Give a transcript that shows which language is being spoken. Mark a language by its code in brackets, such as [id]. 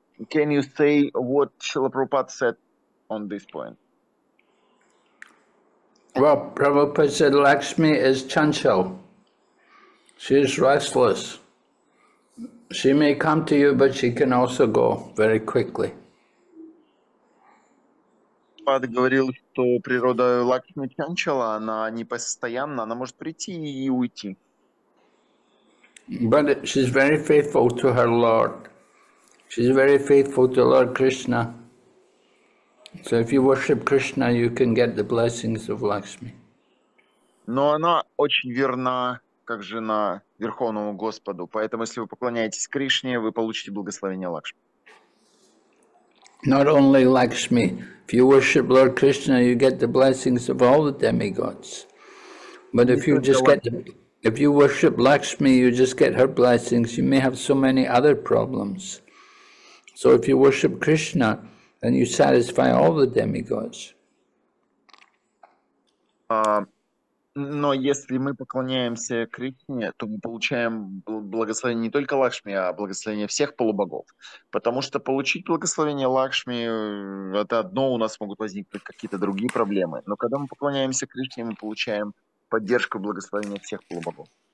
[en] Can you say what Srila Prabhupada said on this point? Well, Prabhupada said Lakshmi is chanchal. She is restless. She may come to you, but she can also go very quickly. [ru] Prabhupada говорил, что природа Лакшми чанчала, она не постоянна, она может прийти и уйти. [en] But she's very faithful to her Lord. She's very faithful to Lord Krishna. So if you worship Krishna, you can get the blessings of Lakshmi. [ru] Но она очень верна, как жена Верховному Господу. Поэтому, если вы поклоняетесь Кришне, вы получите благословение Лакшми. [en] Not only Lakshmi. If you worship Lord Krishna, you get the blessings of all the demigods. But if you worship Lakshmi, you just get her blessings. You may have so many other problems. So if you worship Krishna, then you satisfy all the demigods. [ru] Но если мы поклоняемся Кришне, то мы получаем благословение не только Лакшми, а благословение всех полубогов. Потому что получить благословение Лакшми – это одно, у нас могут возникнуть какие-то другие проблемы. Но когда мы поклоняемся Кришне, мы получаем поддержку благословения всех полубогов.